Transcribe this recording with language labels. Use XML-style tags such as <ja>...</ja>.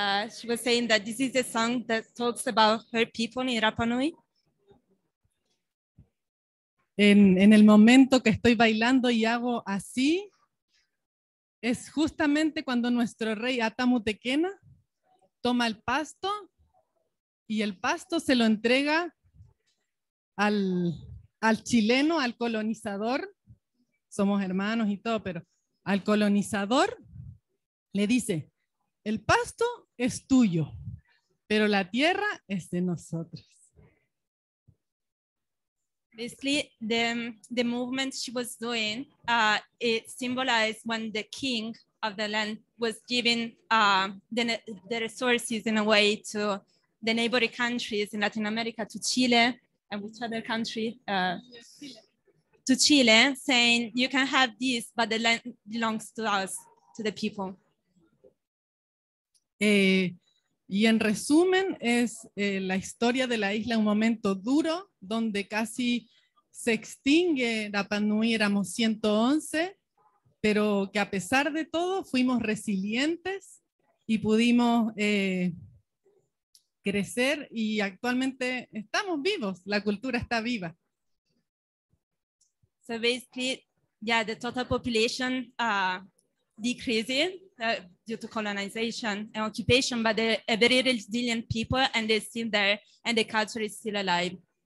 <en>She was saying that this is a song that talks about her people in Rapa Nui.</en> <es>En el momento que estoy bailando y hago así, es justamente cuando nuestro rey Atamutekena toma el pasto y el pasto se lo entrega al chileno, al colonizador. Somos hermanos y todo, pero al colonizador le dice, el pasto es tuyo, pero la tierra es de nosotros.</es> <en>Basically, the movement she was doing, it symbolized when the king of the land was giving the resources in a way to the neighboring countries in Latin America, to Chile and which other country? To Chile, saying, you can have this, but the land belongs to us, to the people.</en> <es>Y en resumen, es la historia de la isla, un momento duro, donde casi se extingue Rapa Nui, éramos 111, pero que a pesar de todo, fuimos resilientes y pudimos crecer y actualmente estamos vivos, la cultura está viva.</es> <en>So basically, yeah, the total population decreasing due to colonization and occupation, but they're a very resilient people and they're still there and the culture is still alive.</en>